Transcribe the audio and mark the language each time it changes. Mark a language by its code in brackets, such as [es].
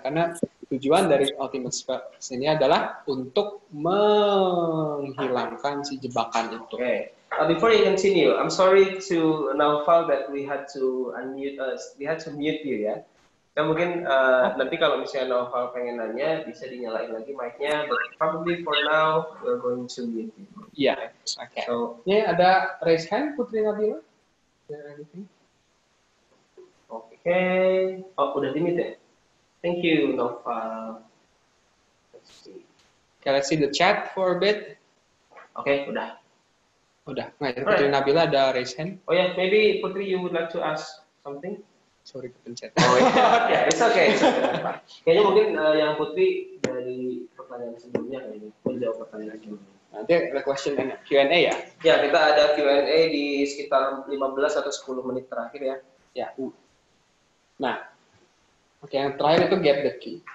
[id] Karena tujuan dari Ultimate Spell ini adalah untuk menghilangkan si jebakan itu. [en] Okay. Before you continue, I'm sorry to Naufal that we had to unmute us. We had to mute you [id] ya. Dan mungkin nanti kalau misalnya Naufal pengen nanya, bisa dinyalain lagi mic-nya. [en] But probably for now, we're going to mute you. Yeah. Okay. So, [id] ini ada [en] raise hand Putri Nabila? Okay. Oh, [id] udah di mute ya? [en] Thank you, Naufal. Let's see. Can I see the chat for a bit? [id] Okay, udah. Udah, nah, Putri right. Nabila ada raise hand. Oh ya, yeah. [en] Maybe Putri, you would like to ask something? [id] Sorry, kepencet. [en] Oh ya, yeah. It's okay. [id] Kayaknya mungkin yang Putri dari pertanyaan sebelumnya kayaknya, menjawab pertanyaan sebelumnya. Nanti ada question and Q&A ya? Ya, kita ada Q&A di sekitar 15 atau 10 menit terakhir ya. Ya. Nah, oke, yang terakhir itu [en] get the key.